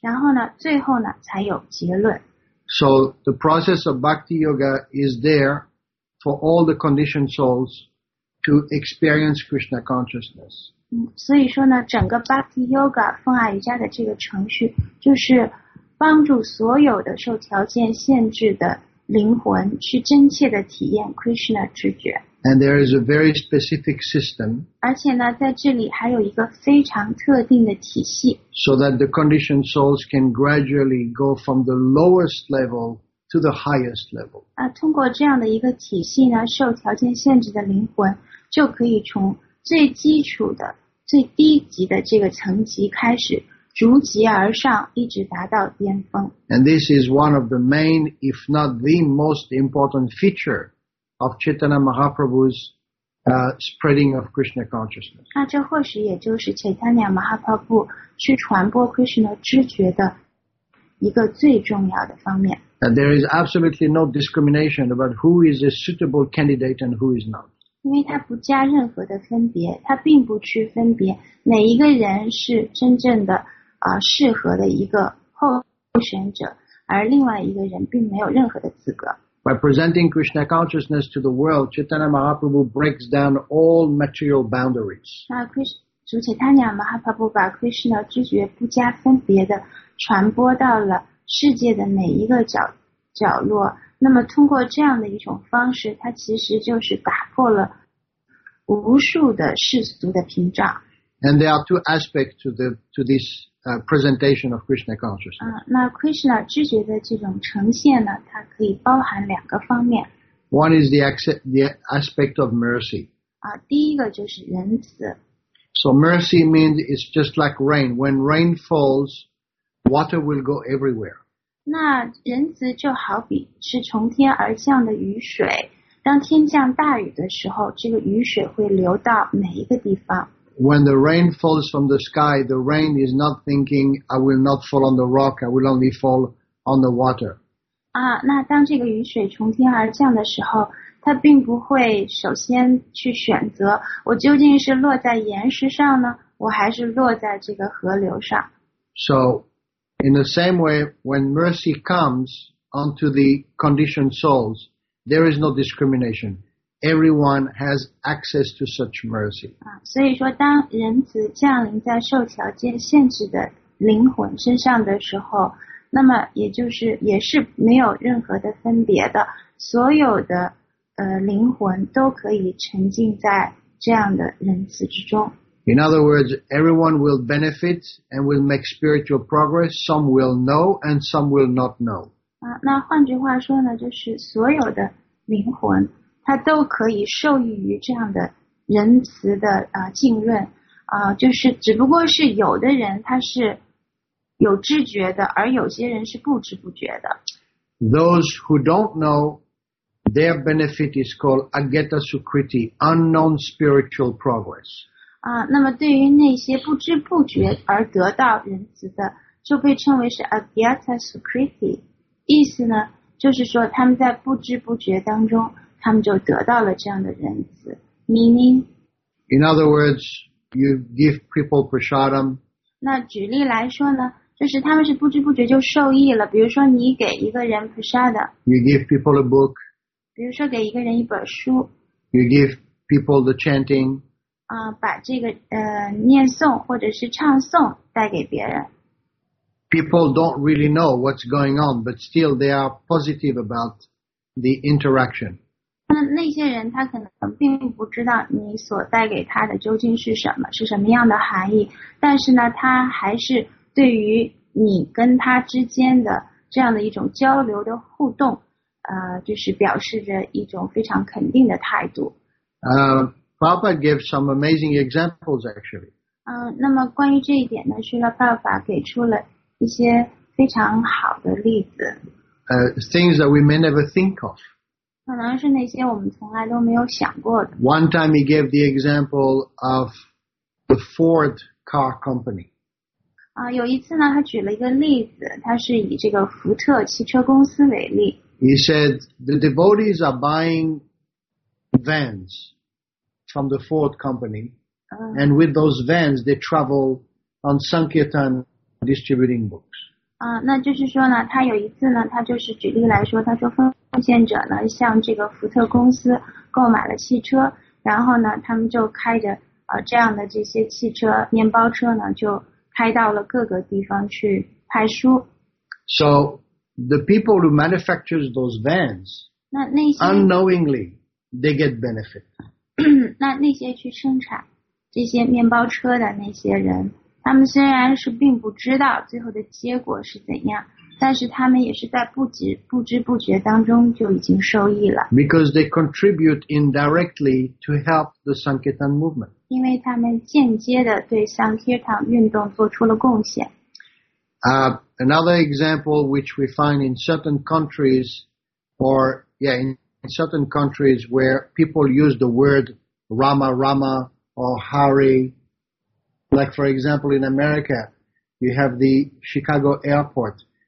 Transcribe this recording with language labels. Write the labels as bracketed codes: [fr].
[zh] 然后呢，最后呢，才有结论。 [en] So the process of Bhakti Yoga is there for all the conditioned souls to experience Krishna consciousness. [zh] 所以说呢，整个 Bhakti Yoga 奉爱瑜伽的这个程序，就是帮助所有的受条件限制的灵魂去真切的体验 Krishna 知觉。 [en] And there is a very specific system. [zh] 而且呢，在这里还有一个非常特定的体系。 [en] So that the conditioned souls can gradually go from the lowest level to the highest level. [zh] 通过这样的一个体系呢，受条件限制的灵魂就可以从最基础的、最低级的这个层级开始，逐级而上，一直达到巅峰。 [en] And this is one of the main, if not the most important feature of Chaitanya Mahaprabhu's spreading of Krishna consciousness. [zh] 那这或许也就是 Chaitanya Mahaprabhu 去传播 Krishna 知觉的一个最重要的方面。 [en] And there is absolutely no discrimination about who is a suitable candidate and who is not. [zh] 因为他不加任何的分别，他并不去分别哪一个人是真正的适合的一个候选者，而另外一个人并没有任何的资格。 [en] By presenting Krishna consciousness to the world, Chaitanya Mahaprabhu breaks down all material boundaries. [zh] 那主 Chaitanya Mahaprabhu 把 Krishna 知觉不加分别的传播到了世界的每一个角落。那么通过这样的一种方式，它其实就是打破了无数的世俗的屏障。 [en] And there are two aspects to this presentation of Krishna consciousness. [zh] 那 Krishna 知觉的这种呈现呢，它可以包含两个方面。 [en] One is the aspect of mercy. [zh] 第一个就是仁慈。 [en] So mercy means it's just like rain. When rain falls, water will go everywhere. [zh] 那仁慈就好比是从天而降的雨水，当天降大雨的时候，这个雨水会流到每一个地方。 [en] When the rain falls from the sky, the rain is not thinking, I will not fall on the rock, I will only fall on the water. [zh] 那当这个雨水从天而降的时候，它并不会首先去选择，我究竟是落在岩石上呢，我还是落在这个河流上。 [en] So,In the same way, when mercy comes onto the conditioned souls, there is no discrimination. Everyone has access to such mercy. [zh] 所以说当仁慈降临在受条件限制的灵魂身上的时候，那么也就是也是没有任何的分别的，所有的灵魂都可以沉浸在这样的仁慈之中。 [en] In other words, everyone will benefit and will make spiritual progress. Some will know and some will not know. [zh] 那换句话说呢，就是所有的灵魂，它都可以受益于这样的仁慈的浸润。就是只不过是有的人他是有知觉的，而有些人是不知不觉的。 [en] Those who don't know, their benefit is called Agata Sukriti, unknown spiritual progress. [zh] 那么对于那些不知不觉而得到仁慈的，就被称为是 Agyata Sukriti。意思呢，就是说他们在不知不觉当中，他们就得到了这样的仁慈。 [en] Meaning, in other words, you give people prasadam. [zh] 那举例来说呢，就是他们是不知不觉就受益了。比如说你给一个人 prasadam. [en] You give people a book. [zh] 比如说给一个人一本书。 [en] You give people the chanting. [zh] 把这个念诵或者是唱诵带给别人。 [en] People don't really know what's going on, but still they are positive about the interaction. [zh] 那些人他可能并不知道你所带给他的究竟是什么，是什么样的含义，但是呢，他还是对于你跟他之间的这样的一种交流的互动，就是表示着一种非常肯定的态度。 [en] Prabhupada gave some amazing examples, actually. [zh] 那么关于这一点呢，是呢，爸爸给出了一些非常好的例子。 [en] Things that we may never think of. [zh] 可能是那些我们从来都没有想过的。 [en] One time he gave the example of the Ford car company. [zh] 有一次呢，他举了一个例子，他是以这个福特汽车公司为例。 [en] He said, the devotees are buying vans. From the Ford company, and with those vans, they travel on Sankirtan distributing books. [zh] 那就是说呢，他有一次呢，他就是举例来说，他说奉献者呢向这个福特公司购买了汽车，然后呢，他们就开着这样的这些汽车面包车呢，就开到了各个地方去派书。 [en] So the people who manufactures those vans, [zh] 那些 [en] unknowingly they get benefit. [zh] 那些去生产这些面包车的那些人，他们虽然是并不知道最后的结果是怎样，但是他们也是在不知不觉当中就已经受益了。 [en] Because they contribute indirectly to help the Sankirtan movement. [zh] 因为他们间接的对 Sankirtan 运动做出了贡献。 [en] Another example which we find in certain countries, or yeah, in certain countries where people use the word Rama Rama or Hari, like for example in America, you have the Chicago airport.